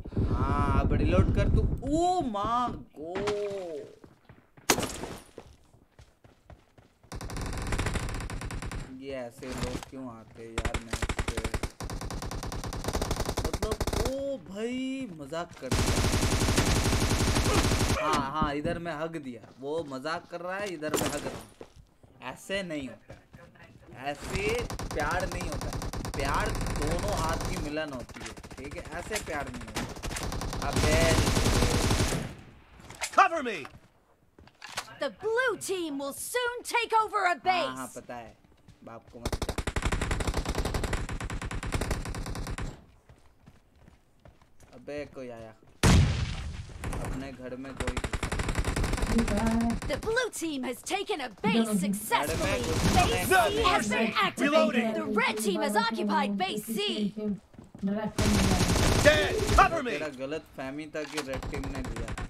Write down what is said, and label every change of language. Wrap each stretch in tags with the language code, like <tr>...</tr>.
<hi>हाँ अब रिलोड कर तू। ओ माय गॉड, ये ऐसे लोग क्यों आते यार मैच पे, मतलब ओ भाई मजाक कर दिया। हाँ हाँ, इधर मैं हग दिया, वो मजाक कर रहा है, इधर मैं हग रहा हूँ, ऐसे नहीं होता, ऐसे प्यार नहीं होता, प्यार दोनों हाथ की मिलन होती है, ठीक है, ऐसे प्यार नहीं होता। अबे</hi> <en>cover me, the blue team will soon take over a base।</en> <hi>हाँ पता है बाप को मत बता। अबे कोई आया अपने घर में, कोई</hi> <en>the blue team has taken a base successfully. Base C has been activated. The red team has occupied base C. Cover me.</en> <hi>तेरा गलत फहमी था कि रेड टीम ने लिया।</hi>